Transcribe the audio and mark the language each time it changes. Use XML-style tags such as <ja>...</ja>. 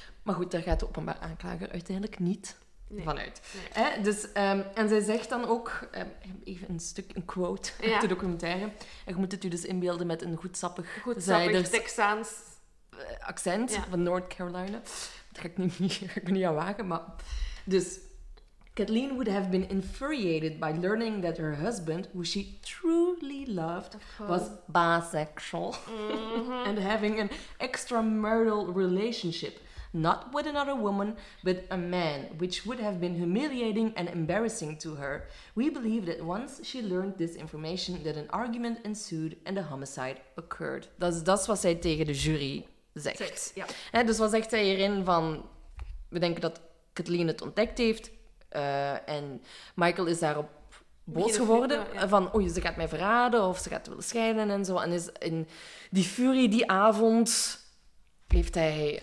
<nl>Maar goed, daar gaat de openbaar aanklager uiteindelijk niet vanuit. Nee. En zij zegt dan ook, even een quote uit de documentaire. En je moet het u dus inbeelden met een goed sappig Texaans accent van North Carolina. Dat ga ik niet aan wagen, maar... Dus...</nl> <en>Kathleen would have been infuriated by learning that her husband, who she truly loved, was bisexual. Mm-hmm. And having an extramarital relationship, not with another woman, but a man, which would have been humiliating and embarrassing to her. We believe that once she learned this information, that an argument ensued and a homicide occurred.</en> <nl>Dat is wat zij tegen de jury zegt. Ja. Dus wat zegt zij hierin van, we denken dat Kathleen het ontdekt heeft... En Michael is daarop boos geworden. Ja. Van, oei, ze gaat mij verraden of ze gaat willen scheiden en zo. En is in die furie die avond heeft hij</nl>